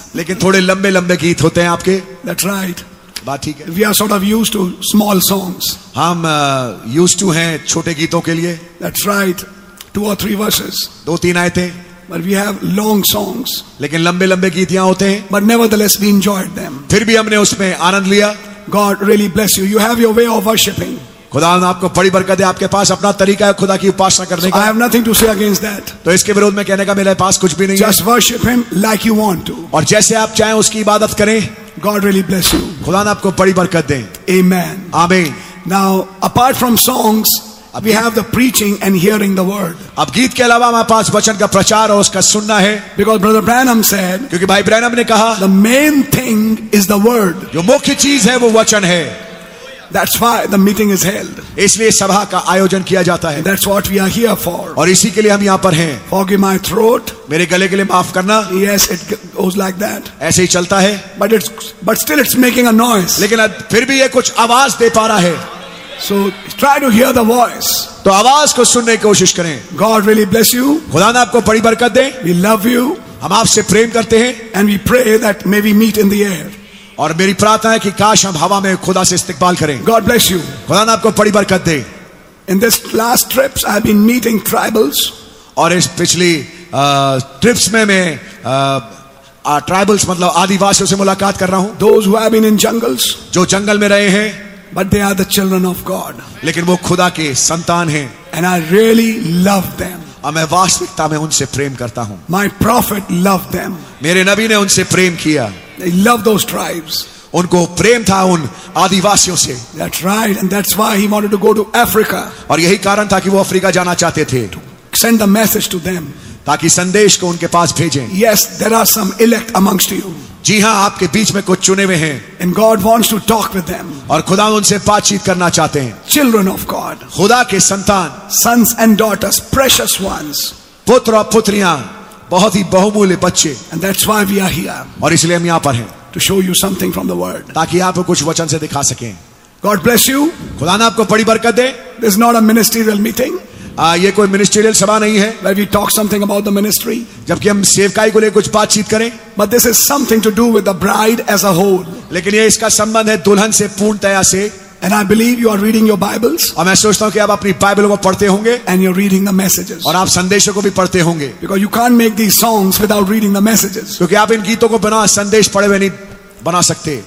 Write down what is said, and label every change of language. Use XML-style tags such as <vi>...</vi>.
<hi>लेकिन थोड़े लंबे लंबे गीत होते हैं आपके.</hi> <en>That's right.</en> <hi>बात ठीक है.</hi> <en>We are sort of used to small songs.</en> <hi>हम</hi> <en>used to</en> <hi>हैं छोटे गीतों के लिए.</hi> <en>That's right. Two or three verses.</en> <hi>दो तीन आयतें.</hi> <en>But we have long songs.</en> <hi>लेकिन लंबे लंबे गीत यहाँ होते हैं.</hi> <en>But nevertheless, we enjoyed them.</en> <hi>फिर भी हमने उसमें आनंद लिया.</hi> <en>God really bless you. You have your way of worshiping.</en> <hi>खुदा ने आपको बड़ी बरकत दे. आपके पास अपना तरीका है खुदा की उपासना करने का.</hi> <en>I have nothing to say against that.</en> <hi>तो इसके विरोध में कहने का मेरे पास कुछ भी नहीं.</hi> <en>Just worship him like you want to.</en> <hi>और जैसे आप चाहें उसकी इबादत करें.</hi> <en>God really bless you.</en> <hi>खुदा ने आपको बड़ी बरकत दे.</hi> <en>Amen.</en> <hi>आमीन.</hi> <en>Now apart from songs, we have the preaching and hearing the word.</en> <hi>अब गीत के अलावा हमारे पास वचन का प्रचार और उसका सुनना है.</hi> <en>Because brother Branham said,</en> <hi>क्योंकि भाई ब्रैनम ने कहा,</hi> <en>the main thing is the word.</en> <hi>जो मुख्य चीज है वो वचन है.</hi> <en>That's why the meeting is held.</en> <hi>इसलिए सभा का आयोजन किया जाता है.</hi> <en>That's what we are here for.</en> <hi>और इसी के लिए हम यहाँ पर हैं.</hi> <en>Forgive my throat.</en> <hi>मेरे गले के लिए माफ करना.</hi> <en>Yes, it goes like that.</en> <hi>ऐसे ही चलता है.</hi> <en>But still it's making a noise.</en> <hi>लेकिन फिर भी ये कुछ आवाज दे पा रहा है.</hi> <en>So try to hear the voice.</en> <hi>तो आवाज को सुनने की कोशिश करें.</hi> <en>God really bless you.</en> <hi>खुदा ने आपको बड़ी बरकत दे.</hi> <en>We love you.</en> <hi>हम आपसे प्रेम करते हैं.</hi> <en>And we pray that may we meet in the air.</en> <hi>और मेरी प्रार्थना है कि काश हम हवा में खुदा से इस्तकबाल करें.</hi> <en>God bless you.</en> <hi>खुदा ने आपको बड़ी बरकत दे.</hi> <en>In this last trips, I've been meeting tribals.</en> <hi>और इस पिछली ट्रिप्स में मैं ट्राइबल्स मतलब आदिवासियों से मुलाकात कर रहा हूँ.</hi> <en>Those who have been in jungles.</en> <hi>जो जंगल में रहे हैं.</hi> <en>But they are the children of God.</en> <hi>लेकिन वो खुदा के संतान हैं.</hi> <en>And I really love them.</en> <hi>और मैं वास्तविकता में उनसे प्रेम करता हूँ.</hi> <en>My prophet loved them.</en> <hi>मेरे नबी ने उनसे प्रेम किया.</hi> <en>They love those tribes.</en> <hi>उनको प्रेम था उन आदिवासियों से.</hi> <en>That's right, and that's why he wanted to go to Africa.</en> <hi>और यही कारण था कि वो अफ्रीका जाना चाहते थे.</hi> <en>To send the message to them.</en> <hi>ताकि संदेश को उनके पास भेजें.</hi> <en>Yes, there are some elect amongst you.</en> <hi>जी हाँ आपके बीच में कुछ चुने हुए हैं.</hi> <en>And God wants to talk with them.</en> <hi>और खुदा उनसे बातचीत करना चाहते हैं.</hi> <en>Children of God.</en> <hi>खुदा के संतान.</hi> <en>Sons and daughters, precious ones.</en> <hi>पुत्र और पुत्रियां. बहुत ही बहुमूल्य बच्चे.</hi> <en>And that's why we are here.</en> <hi>और इसलिए हम यहाँ पर हैं.</hi> <en>To show you something from the word.</en> <hi>ताकि आप कुछ वचन से दिखा सकें.</hi> <en>God bless you.</en> <hi>खुदा ने आपको बड़ी बरकत दे.</hi> <en>This is not a ministerial meeting.</en> <hi>ये कोई मिनिस्ट्रियल सभा नहीं है</hi> <en>where we talk something about the ministry,</en> <hi>जबकि हम सेवकाई को लेकर कुछ बातचीत करें</hi> <en>but this is something to do with the bride as a whole,</en> <hi>लेकिन ये इसका संबंध है दुल्हन से पूर्णतया से</hi> <en>And I believe you are reading your Bibles.</en> <hi>और मैं सोचता हूँ कि आप अपनी बाइबल को पढ़ते होंगे.</hi> <en>And you're reading the messages.</en> <hi>और आप संदेशों को भी पढ़ते होंगे.</hi> <en>Because you can't make these songs without reading the messages.</en> <hi>क्योंकि आप इन गीतों को बिना संदेश पढ़े नहीं बना सकते.</hi>